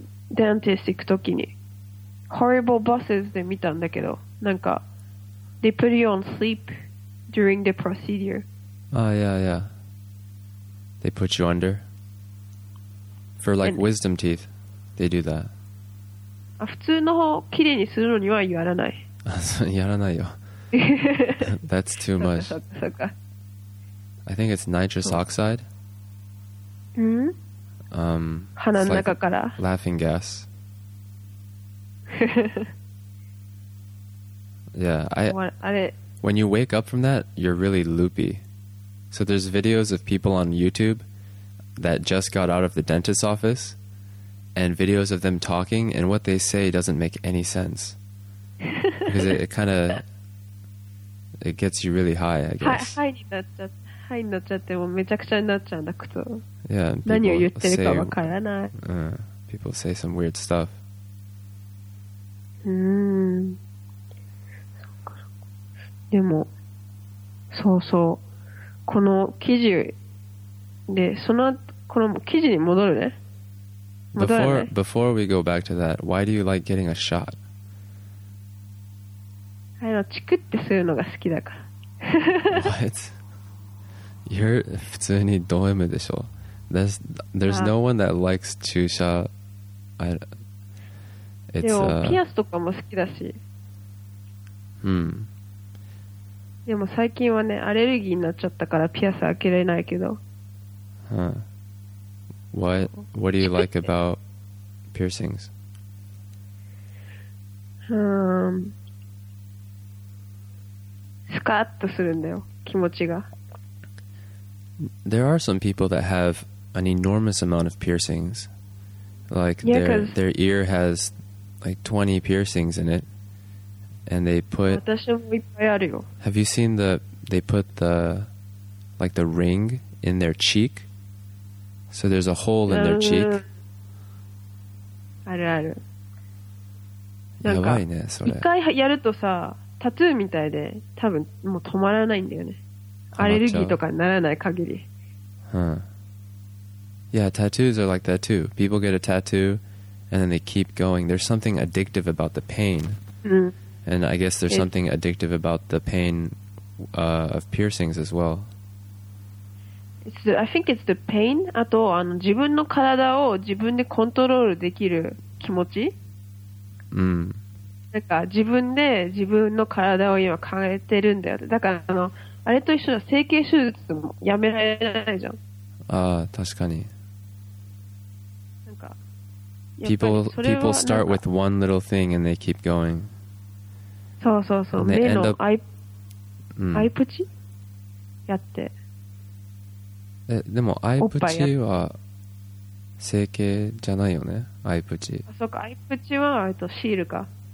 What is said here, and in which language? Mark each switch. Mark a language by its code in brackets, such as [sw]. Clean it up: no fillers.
[ja] デンティスト行くときに Horrible Bosses で見たんだけど、なんか [en] They put you on sleep during the procedure. Yeah. They put you under for like wisdom teeth. They do that. [ja] 普通の歯きれいにするのにはやらない。やらないよ。 [en] That's too much. I think it's nitrous oxide. It's like laughing gas. Yeah, when you wake up from that, you're really loopy. So there's videos of people on YouTube that just got out of the dentist's office, and videos of them talking, and what they say doesn't make any sense. Because it gets you really high, I guess. [ja] High になっちゃってもめちゃくちゃになっちゃうんだ、靴。 [en] Yeah, [ja] 何を言ってるかわからない。 [en] People say some weird stuff. [ja] でも、そうそう。この記事で、その、この記事に戻るね。 [en] Before we go back to that, why do you like getting a shot? [ja] チクってするのが好きだから。 [en] What? You're [ja] 普通にド M でしょ。 [en] There's no one that likes 注射。 [ja] でもピアスとかも好きだし。でも最近はね、アレルギーになっちゃったからピアス開けられないけど。 [en] What do you like about piercings? [ja] スカッとするんだよ、気持ちが。 [en] There are some people that have an enormous amount of piercings. Like, yeah, their ear has like 20 piercings in it. And they put... [ja] 私もいっぱいあるよ。 [en] Have you seen the... They put the... Like the ring in their cheek? So there's a hole in their cheek. [ja] あるある。やばいね、それ。一回やるとさ、タトゥーみたいで多分もう止まらないんだよね。アレルギーとかにならない限り。 [en] Yeah, tattoos are like that too. People get a tattoo and then they keep going. There's something addictive about the pain. And I guess there's something addictive about the pain of piercings as well. I think it's the pain. [ja] あと自分の体を自分でコントロールできる気持ち。なんか自分で自分の体を今変えてるんだよ。だからあれと一緒だ、整形手術もやめられないじゃん。ああ、確かに。なんか、 [en] People start with one little thing and they keep going. [ja] そうそうそう、目のアイプチやって。でもアイプチは整形じゃないよね、アイプチ。あ、そうか、アイプチはシールか。